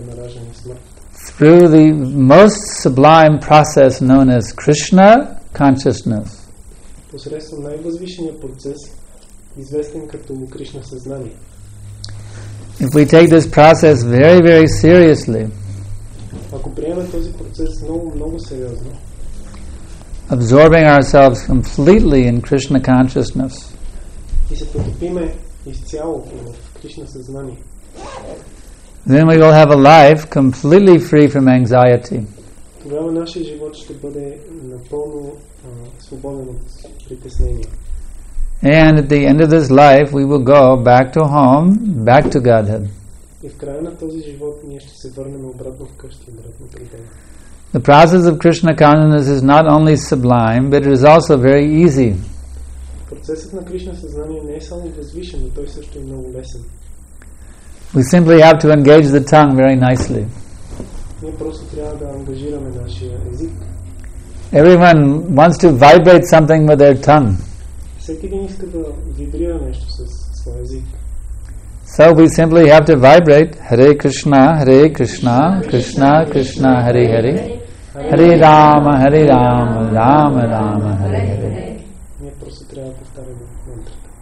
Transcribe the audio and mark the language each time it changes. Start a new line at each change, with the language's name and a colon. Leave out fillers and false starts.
English: Through the most sublime process known as Krishna consciousness.
Bulgarian: Посредством най-възвишения процес, известен като Кришна съзнание.
English: If we take this process very, very seriously,
Bulgarian: ако приемем този процес много, много сериозно,
English: absorbing ourselves completely in Krishna consciousness,
Bulgarian: и се потопиме изцяло в Кришна съзнание,
English: then we will have a life completely free from anxiety.
Bulgarian: Тогава нашия живот ще бъде напълно свободен от притеснения.
English: And at the end of this life, we will go back to home, back to Godhead.
Bulgarian: И в края на този живот ние ще се върнем обратно в къщи, обратно при Бога.
English: The process of Krishna consciousness is not only sublime, but it is also very easy.
Bulgarian: Процесът на Кришна съзнание не е само възвишен, но той също е много лесен.
English: We simply have to engage the tongue very nicely.
Bulgarian: Ние просто трябва да ангажираме нашия език.
English: Everyone wants to vibrate something with their tongue.
Bulgarian: Всеки един иска да вибрира нещо със своя език.
English: So we simply have to vibrate
Sanskrit: Hare Krishna, Krishna, Krishna, Hare Hare. Hare Rama, Rama, Rama, Hare Hare.
Bulgarian: Ние просто трябва да повтаряме мантрата.